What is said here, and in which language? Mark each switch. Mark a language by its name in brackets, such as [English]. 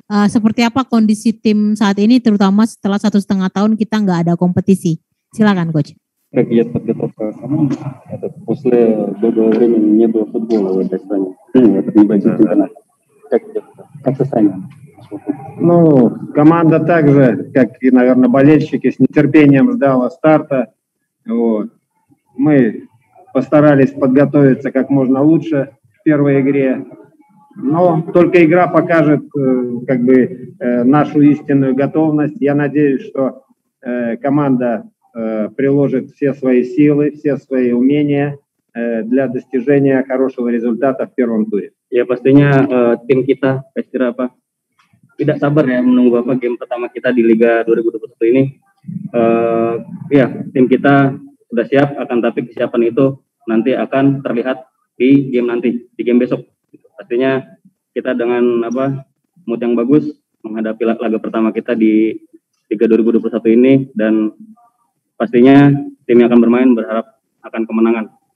[Indonesian] Seperti apa kondisi tim saat ini, terutama setelah 1,5 tahun kita nggak ada kompetisi? Silakan coach. [Russian] Привет, подготовка. После долгого времени не было футбола в этой стране. Это небольшой чемпионат. Как состояние? Ну, команда также, как и, наверное, болельщики, с нетерпением ждала старта. Вот. Мы постарались подготовиться как можно лучше в первой игре. Но только игра покажет нашу истинную готовность. Я надеюсь, что команда приложит все свои силы, все свои умения для достижения хорошего результата в первом туре. [Indonesian] Ya, pastinya tim kita pastinya apa? Tidak sabar ya menunggu apa game pertama kita di Liga 2021 ini. Ya, tim kita sudah siap, akan tapi kesiapan itu nanti akan terlihat di game nanti, di game besok. Pastinya kita dengan apa mood yang bagus menghadapi laga pertama kita di Liga 2021 ini, dan pastinya tim yang akan bermain berharap akan kemenangan.